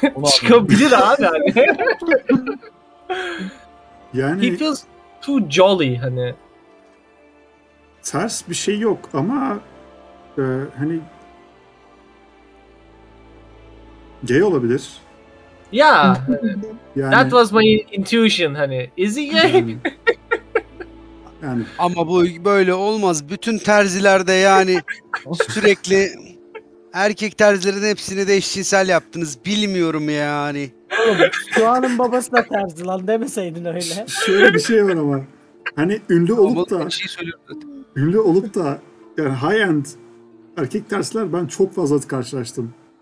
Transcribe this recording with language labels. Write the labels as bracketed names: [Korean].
[Turkish] Çıkabilir abi hani. Yani... [English] He feels too jolly [Turkish] hani. Ters bir şey yok ama hani gay olabilir. [English] Yeah. [Turkish] Yani, [English] that was my intuition [Turkish] hani. [English] Is he gay? [Turkish] Yani. Ama bu böyle olmaz. Bütün terzilerde yani sürekli erkek terzilerin hepsini de eşcinsel yaptınız. Bilmiyorum yani. Doğan'ın babası da terzi lan demeseydin öyle. Şöyle bir şey var ama. Hani ünlü olup da ünlü olup da yani high end erkek tersler ben çok fazla karşılaştım.